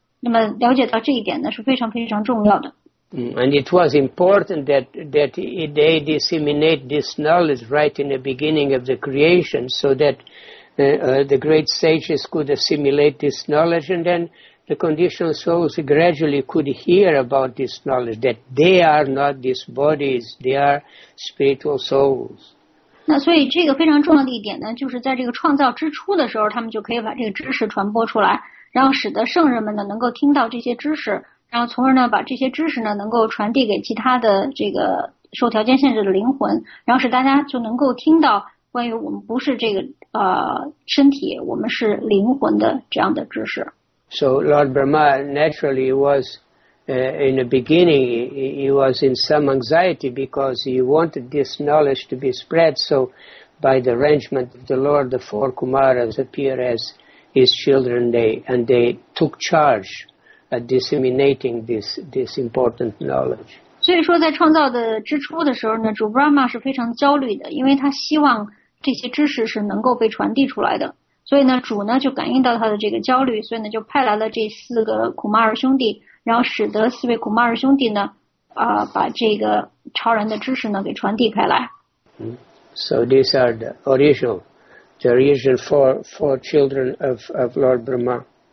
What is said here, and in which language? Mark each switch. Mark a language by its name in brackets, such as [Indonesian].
[Chinese] 那么了解到这一点呢，是非常非常重要的。 [English] And it was important that they disseminate this knowledge right in the beginning of the creation, so that the great sages could assimilate this knowledge, and then the conditioned souls gradually could hear about this knowledge that they are not these bodies, they are spiritual souls. [Chinese] 那所以这个非常重要的一点呢，就是在这个创造之初的时候，他们就可以把这个知识传播出来，然后使得圣人们呢能够听到这些知识，然后从而呢把这些知识呢能够传递给其他的这个受条件限制的灵魂，然后使大家就能够听到关于我们不是这个身体，我们是灵魂的这样的知识。 [English] So Lord Brahma naturally was in the beginning, he was in some anxiety because he wanted this knowledge to be spread. So, by the arrangement of the Lord, the four Kumaras appear as his children, and they took charge of disseminating this important knowledge. [Chinese] 所以说，在创造的之初的时候呢，主 Brahma 是非常焦虑的，因为他希望这些知识是能够被传递出来的。所以呢，主呢就感应到他的这个焦虑，所以呢就派来了这四个库马尔兄弟。然后使得四位库玛尔兄弟呢，把这个超然的知识呢给传递开来。 [English] So these are the original four children of Lord Brahma.